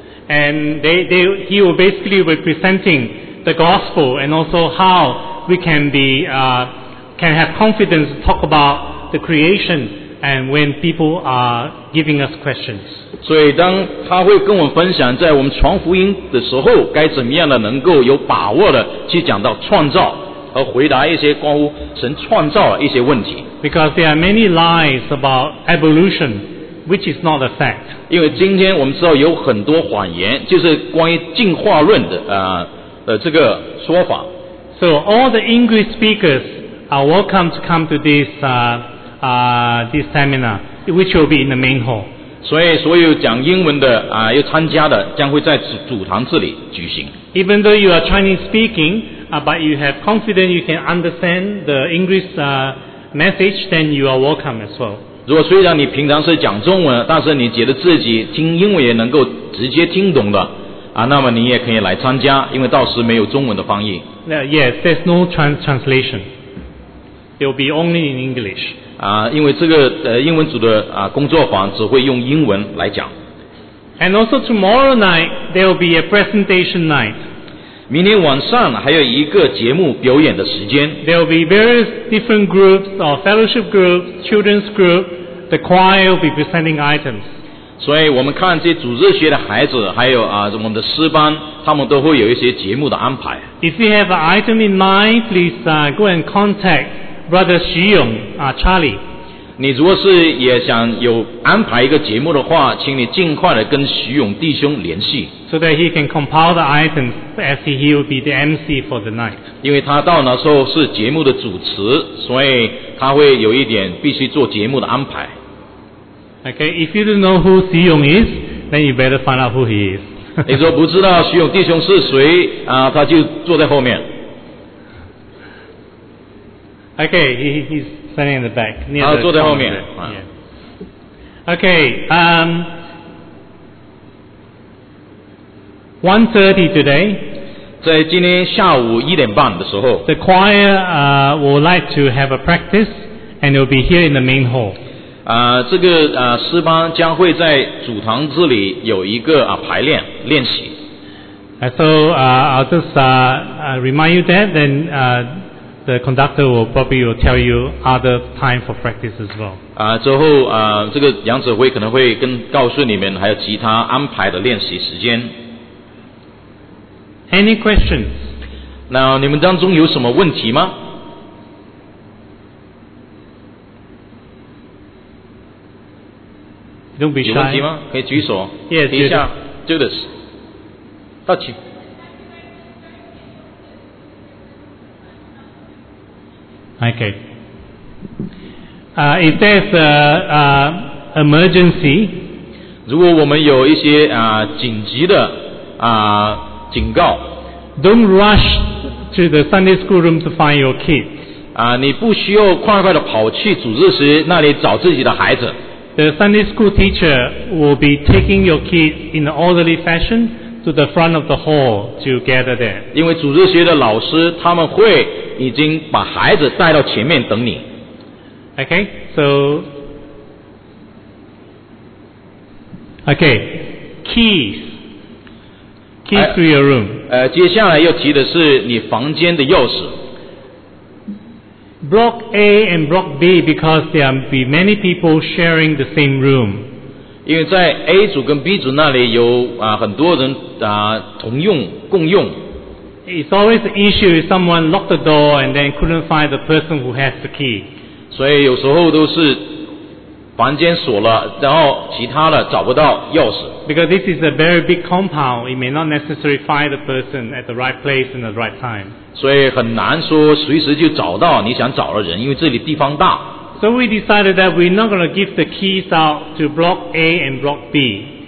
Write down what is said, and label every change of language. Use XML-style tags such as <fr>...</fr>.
<en>And he will basically be presenting the gospel and also how we can be can have confidence to talk about the creation and when people are giving us questions.</en> <zh>所以当他会跟我们分享在我们传福音的时候该怎么样的能够有把握的去讲到创造和回答一些关乎神创造的一些问题。</zh> <en>Because there are many lies about evolution, which is not a fact.</en> <zh>因为今天我们知道有很多谎言就是关于进化论的这个说法。</zh> <en>So all the English speakers are welcome to come to this seminar, which will be in the main hall.</en> <zh>所以所有讲英文的要参加的将会在主堂这里举行。</zh> <en>Even though you are Chinese speaking, but you have confidence you can understand the English message, then you are welcome as well.</en> <zh>如果虽然你平常是讲中文，但是你觉得自己听英文也能够直接听懂的那么你也可以来参加，因为到时没有中文的翻译。</zh> <en>Yes, there's no translation. It will be only in English.</en> <zh>因为这个英文组的工作坊只会用英文来讲。</zh> <en>And also tomorrow night there will be a presentation night.</en> <zh>明天晚上还有一个节目表演的时间。</zh> <en>There will be various different groups or fellowship groups, children's group, the choir will be presenting items.</en> <zh>所以我们看这些主日学的孩子还有我们的诗班他们都会有一些节目的安排。</zh> <en>If you have an item in mind, please go and contact Brother Xu Yong, Charlie.</en> <zh>你如果是也想有安排一个节目的话，请你尽快的跟徐勇弟兄联系。</zh> <en>So that he can compile the items as he will be the MC for the night.</en> <zh>因为他到那时候是节目的主持，所以他会有一点必须做节目的安排。</zh> <en>Okay, if you don't know who Xu Yong is, then you better find out who he is.</en> <zh>你说不知道徐勇弟兄是谁他就坐在后面。</zh> <en>Okay, he's standing in the back.</en> <zh>坐在后面。</zh> <en>Okay, 1:30 today.</en> <zh>在今天下午一点半的时候。</zh> <en>The choir would like to have a practice, and it will be here in the main hall.</en> <zh>这个诗班将会在主堂这里有一个排练练习。</zh> <en>I'll just remind you that, then the conductor will probably will tell you other time for practice as well.</en> <zh>之后这个杨子辉可能会告诉你们还有其他安排的练习时间。</zh> <en>Any questions?</en> <zh>那你们当中有什么问题吗？</zh> <en>Don't be shy.</en> <zh>有问题吗？可以举手。</zh> <en>Yes,</en> <zh>Judas. 提一下，Judas。到请。</zh> <en>Okay. If there's an emergency,</en> <zh>如果我们有一些 紧急的 警告,</zh> <en>don't rush to the Sunday school room to find your kids.</en> <zh>你不需要快快地跑去主日时那里找自己的孩子。</zh> <en>The Sunday school teacher will be taking your kids in an orderly fashion to the front of the hall to gather there.</en> <zh>因为主日学的老师他们会 已经把孩子带到前面等你。</zh> <en>Okay, so okay, keys to your room.</en> <zh>接下来要提的是你房间的钥匙。</zh> <en>Block A and Block B because there will be many people sharing the same room.</en> <zh>因为在A组跟B组那里有 很多人同用共用。</zh> <en>It's always the issue if someone locked the door and then couldn't find the person who has the key.</en> <zh>所以有时候都是房间锁了，然后其他的找不到钥匙。</zh> <en>Because this is a very big compound, it may not necessarily find the person at the right place in the right time.</en> <zh>所以很难说随时就找到你想找的人，因为这里地方大。</zh> <en>So we decided that we're not going to give the keys out to Block A and Block B.</en>